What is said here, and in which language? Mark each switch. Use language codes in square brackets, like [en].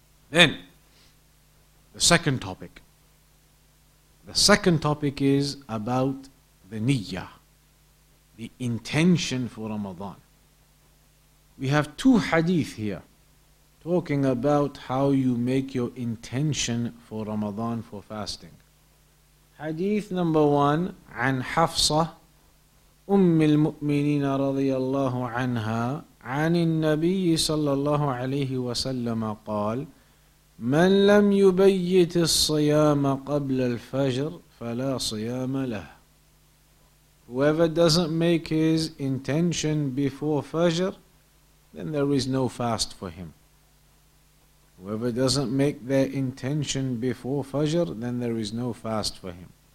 [en] Then, the second topic. The second topic is about the niyyah, the intention for Ramadan. We have two hadith here talking about how you make your intention for Ramadan for fasting. Hadith number one, [ar] عن حفصة أم المؤمنين رضي الله عنها عن النبي صلى الله عليه وسلم قال من لم يبيت الصيام قبل الفجر فلا صيام له. [en] Whoever doesn't make his intention before Fajr, then there is no fast for him. Whoever doesn't make their intention before Fajr, then there is no fast for him.